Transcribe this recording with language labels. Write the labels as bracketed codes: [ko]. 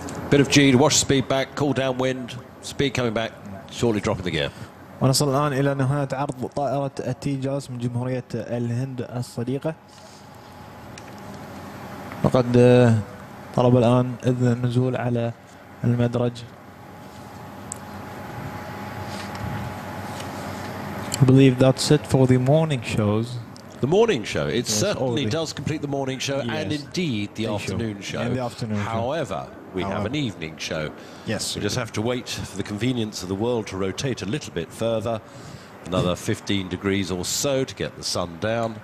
[en] Bit of G to wash speed back, cool down wind, speed coming back, shortly dropping the gear. [ar] ونصل الآن إلى نهاية عرض طائرة التيجاس من جمهورية الهند الصديقة. لقد طلب الآن إذن النزول على المدرج. [en] I believe that's it for the morning shows. The morning show. It yes, certainly does complete the morning show, yes, and indeed the afternoon show. And the afternoon However, show. We have an evening show. Yes. We just have to wait for the convenience of the world to rotate a little bit further, another 15 degrees or so to get the sun down.